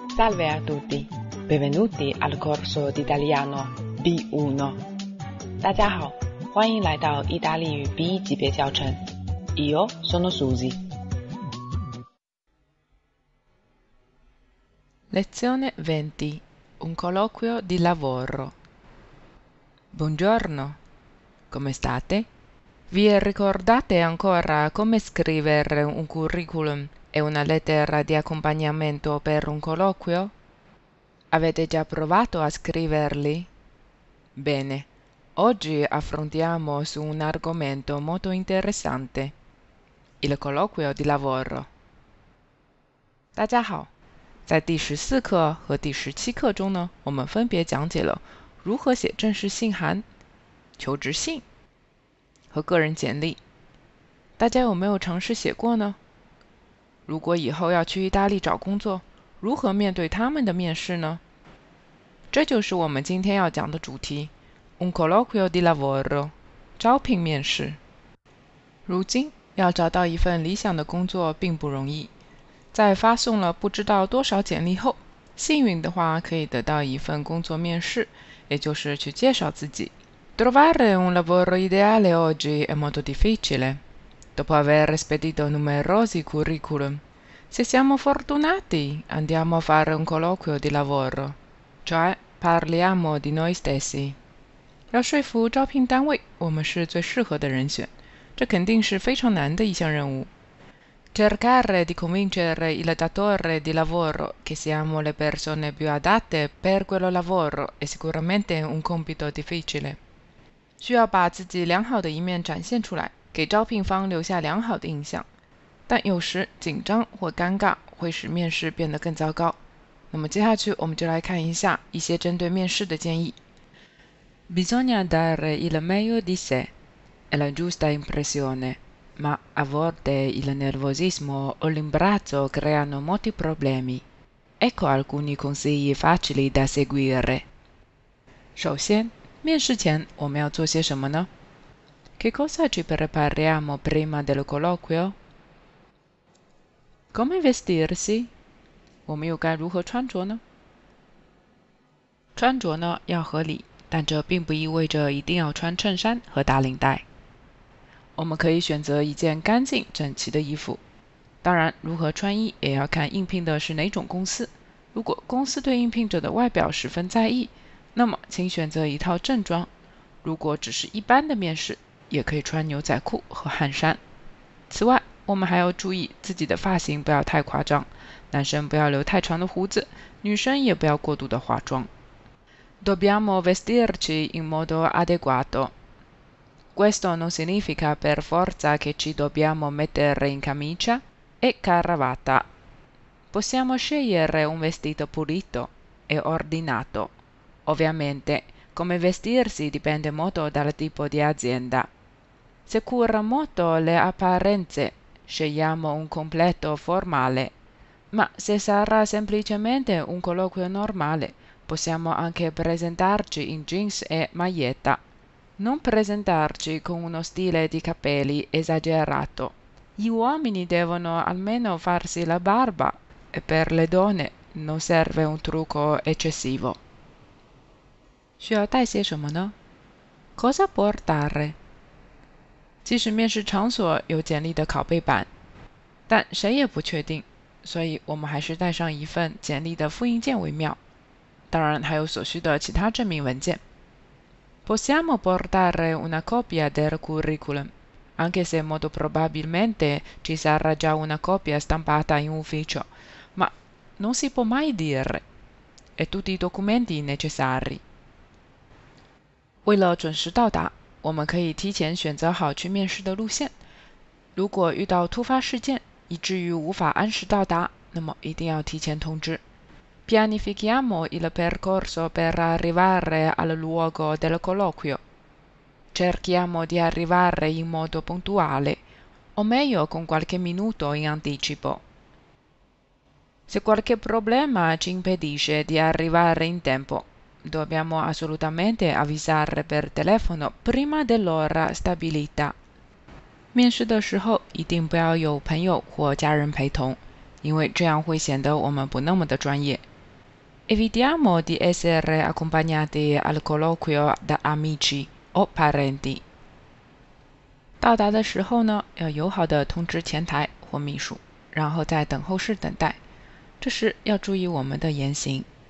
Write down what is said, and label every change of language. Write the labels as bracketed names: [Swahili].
[Italian] Salve a tutti, benvenuti al corso di italiano B1. [Chinese] 大家好，欢迎来到意大利语 B 级别教程。 [Italian] Io sono Susi. Lezione 20. Un colloquio di lavoro. Buongiorno. Come state? Vi ricordate ancora come scrivere un curriculum e una lettera di accompagnamento per un colloquio? Avete già provato a scriverli? Bene, oggi affrontiamo su un argomento molto interessante, il colloquio di lavoro. [Chinese] 大家好，在第十四课和第十七课中呢，我们分别讲解了如何写正式信函、求职信和个人简历。大家有没有尝试写过呢？如果以后要去意大利找工作，如何面对他们的面试呢？这就是我们今天要讲的主题 , [Italian] un colloquio di lavoro, [Chinese] 招聘面试。如今要找到一份理想的工作并不容易。在发送了不知道多少简历后，幸运的话可以得到一份工作面试，也就是去介绍自己。 [Italian] Trovare un lavoro ideale oggi è molto difficile. Dopo aver spedito numerosi curriculum, se siamo fortunati, andiamo a fare un colloquio di lavoro, cioè parliamo di noi stessi. [Chinese] 要说服招聘单位，我们是最适合的人选，这肯定是非常难的一项任务。 [Italian] Cercare di convincere il datore di lavoro che siamo le persone più adatte per quello lavoro è sicuramente un compito difficile. [Chinese] 需要把自己良好的一面展现出来。给招聘方留下良好的印象，但有时紧张或尴尬会使面试变得更糟糕。那么接下去我们就来看一下一些针对面试的建议。 [Italian] Bisogna dare il meglio di sé, è la giusta impressione, ma a volte il nervosismo o l'imbarazzo creano molti problemi. Ecco alcuni consigli facili da seguire. [Chinese] 首先，面试前我们要做些什么呢？ [Italian] Che cosa ci prepariamo prima del colloquio? Come vestirsi? [Chinese] 我们又该如何穿着呢？穿着呢，要合理，但这并不意味着一定要穿衬衫和打领带。我们可以选择一件干净整齐的衣服。当然，如何穿衣也要看应聘的是哪种公司。如果公司对应聘者的外表十分在意，那么请选择一套正装。如果只是一般的面试，也可以穿牛仔裤和汗衫。此外，我们还要注意自己的发型不要太夸张，男生不要留太长的胡子，女生也不要过度的化妆。 [Italian] Dobbiamo vestirci in modo adeguato. Questo non significa per forza che ci dobbiamo mettere in camicia e cravatta. Possiamo scegliere un vestito pulito e ordinato. Ovviamente. Come vestirsi dipende molto dal tipo di azienda. Se cura molto le apparenze, scegliamo un completo formale. Ma se sarà semplicemente un colloquio normale, possiamo anche presentarci in jeans e maglietta. Non presentarci con uno stile di capelli esagerato. Gli uomini devono almeno farsi la barba e per le donne non serve un trucco eccessivo. [Chinese] 需要带些什么呢 ？ [Italian] Cosa portare？ [Chinese] 即使面试场所有简历的拷贝版，但谁也不确定，所以我们还是带上一份简历的复印件为妙。当然，还有所需的其他证明文件。 [Italian] Possiamo portare una copia del curriculum, anche se molto probabilmente ci sarà già una copia stampata in ufficio, ma non si può mai dire. E tutti i documenti necessari. [Chinese] 为了准时到达，我们可以提前选择好去面试的路线。如果遇到突发事件，以至于无法按时到达，那么一定要提前通知。 [Italian] Pianifichiamo il percorso per arrivare al luogo del colloquio. Cerchiamo di arrivare in modo puntuale, o meglio con qualche minuto in anticipo. Se qualche problema ci impedisce di arrivare in tempo,Dobbiamo assolutamente avvisare per telefono prima dell'ora stabilita. [Chinese] 面试的时候一定不要有朋友或家人陪同，因为这样会显得我们不那么的专业。 [Italian] Evitiamo di essere accompagnati al colloquio da amici o parenti. [Chinese] 到达的时候呢，要友好的通知前台或秘书，然后在等候室等待。这时要注意我们的言行。